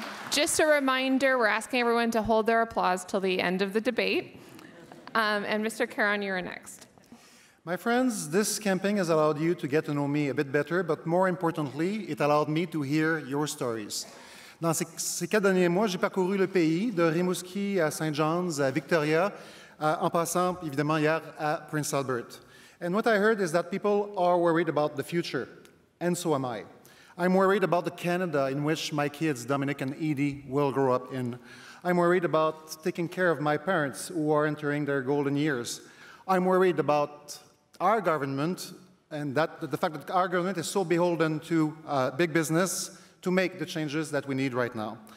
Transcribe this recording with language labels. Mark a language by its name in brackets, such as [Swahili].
[English] Just a reminder, we're asking everyone to hold their applause till the end of the debate. And Mr. Caron, you're next. My friends, this campaign has allowed you to get to know me a bit better, but more importantly, it allowed me to hear your stories. [French] Dans ces quatre derniers mois, j'ai parcouru le pays, de Rimouski à St. John's, à Victoria, en passant, évidemment, hier à Prince Albert. [English] And what I heard is that people are worried about the future, and so am I. I'm worried about the Canada in which my kids, Dominic and Edie, will grow up in. I'm worried about taking care of my parents who are entering their golden years. I'm worried about our government and that the fact that our government is so beholden to big business to make the changes that we need right now.